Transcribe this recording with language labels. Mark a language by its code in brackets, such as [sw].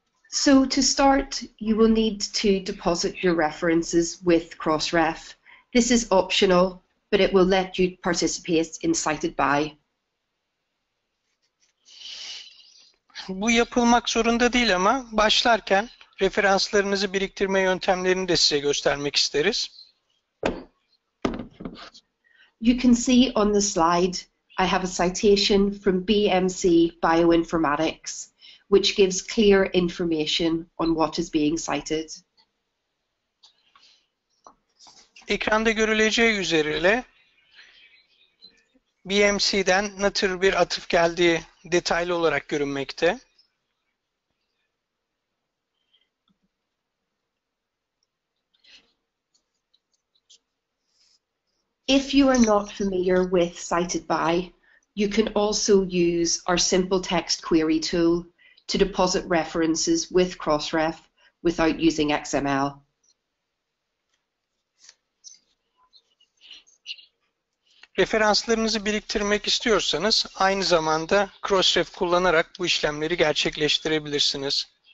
[en] So to start, you will need to deposit your references with Crossref. This is optional, but it will let you participate in cited by. [tr] Bu yapılmak zorunda değil ama başlarken referanslarınızı biriktirme yöntemlerini de size göstermek isteriz. [en] You can see on the slide, I have a citation from BMC Bioinformatics, which gives clear information on what is being cited. [tr] Ekranda görüleceği üzere BMC'den nature bir atıf geldiği detaylı olarak görünmekte. [en] If you are not familiar with cited by, you can also use our simple text query tool to deposit references with Crossref without using XML. [tr] Referanslarınızı biriktirmek istiyorsanız aynı zamanda Crossref kullanarak bu işlemleri gerçekleştirebilirsiniz.